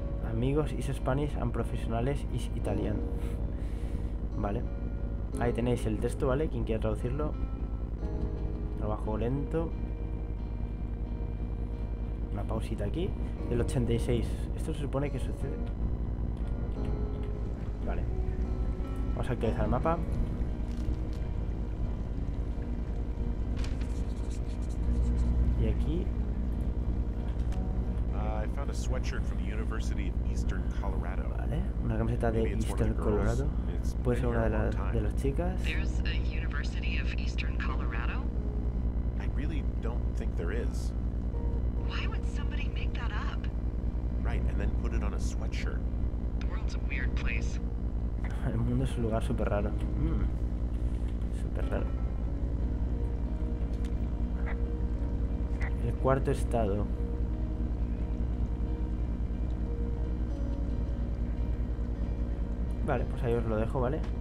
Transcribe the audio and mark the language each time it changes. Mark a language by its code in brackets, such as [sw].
[en] Amigos is Spanish and profesionales is Italian. [es] Vale. Ahí tenéis el texto, ¿vale? Quien quiera traducirlo. Trabajo lento. Una pausita aquí. Del 86. Esto se supone que sucede. Vale. Vamos a actualizar el mapa. Y aquí. [en] I found a sweatshirt from the University of Eastern Colorado. [es] Vale, una camiseta de Eastern Colorado. Puede ser una de las chicas. [en] There's a University of Eastern Colorado? I really don't think there is. Why would somebody make that up? Right, and then put it on a sweatshirt. The world's a weird place. [es] El mundo es un lugar súper raro. Súper raro. El cuarto estado. Vale, pues ahí os lo dejo, ¿vale?